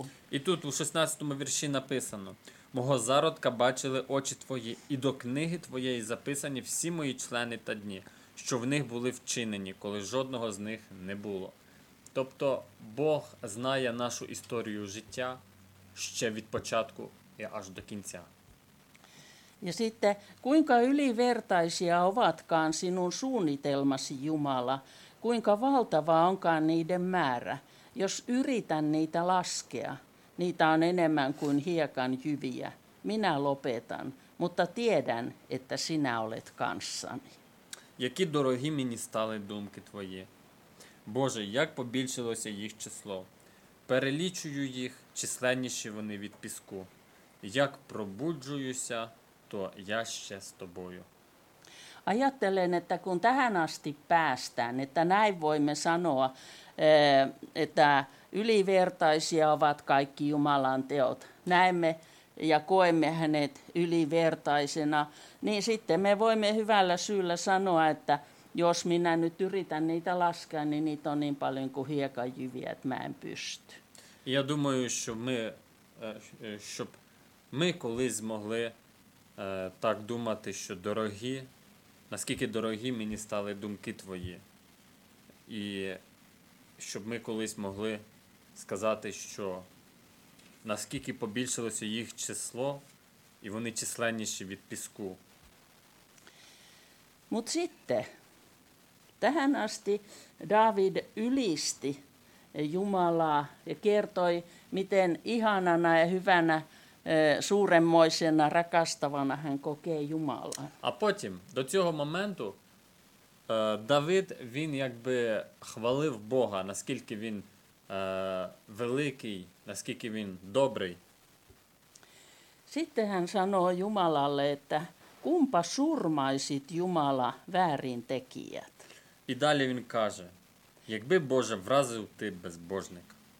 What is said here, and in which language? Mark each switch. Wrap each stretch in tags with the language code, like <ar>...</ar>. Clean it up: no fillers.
<uk>И тут у 16-му вірші написано. Мого зародка бачили очі твої, і до книги твоєї записані всі мої члени та дні, що в них були вчинені, коли жодного з них не було. Тобто Бог знає нашу історію життя ще від початку і аж до кінця.</uk> <fi>Ja sitten, kuinka ylivertaisia ovatkaan sinun suunnitelmasi, Jumala, kuinka valtava onkaan niiden määrä, jos yritän niitä laskea. Niitä on enemmän kuin hiekan jyviä. Minä lopetan, mutta tiedän, että sinä olet kanssani.</fi> <uk>Які дорогі мені стали думки твої. Боже, як побільшилося їх число. Перелічую їх, численніші вони від піску. Як пробуджуюся, то я ще з тобою.</uk> <fi>Ajattelen, että kun tähän asti päästään, että näin voimme sanoa, että ylivertaisia ovat kaikki Jumalan teot. Näemme ja koemme hänet ylivertaisena, niin sitten me voimme hyvällä syyllä sanoa, että jos minä nyt yritän niitä laskea, niin niitä on niin paljon kuin hiekan jyviä, että mä en pysty.</fi> <uk>Я думаю, що ми, щоб ми колись могли так думати, що дорогі, наскільки дорогі мені стали думки твої. І щоб ми колись могли сказати, що наскільки побільшилося їх число, і вони численніші від піску.</uk> <fi>Mut sitten, tähän asti David ylisti Jumalaa ja kertoi, miten ihanana ja hyvänä suuremmoisena rakastavana hän kokee Jumalaa.</fi> <uk>А потім, до цього моменту, Давид, він якби хвалив Бога, наскільки він великий, наскільки він добрий.</uk> <fi>Sitten hän sanoo Jumalalle, että kumpa surmaisit Jumala väärin tekijät.</fi> <uk>І далі він каже, якби Боже вразив ти безбожника.</uk>